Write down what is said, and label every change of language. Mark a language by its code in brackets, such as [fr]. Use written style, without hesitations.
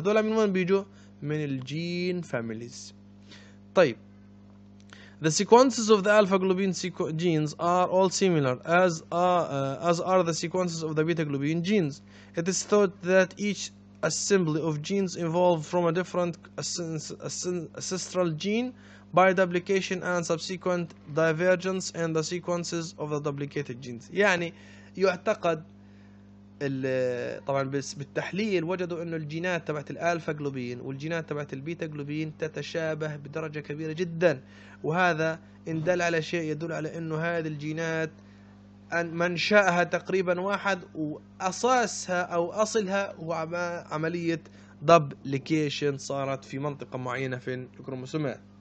[ar] هذول من وين بيجوا؟ من الجين فاميليز. [en] طيب the sequences of the alpha globin genes are all similar as are the sequences of the beta globin genes. It is thought that each assembly of genes evolved from a different ancestral gene by duplication and subsequent divergence in the sequences of the duplicated genes. [ar] يعني يعتقد طبعا بالتحليل وجدوا انه الجينات تبعت الالفا جلوبين والجينات تبعت البيتا جلوبين تتشابه بدرجة كبيرة جدا، وهذا اندل على شيء يدل على انه هذه الجينات منشأها تقريبا واحد، واساسها او اصلها هو عملية دوبليكيشن صارت في منطقة معينة في الكروموسومات.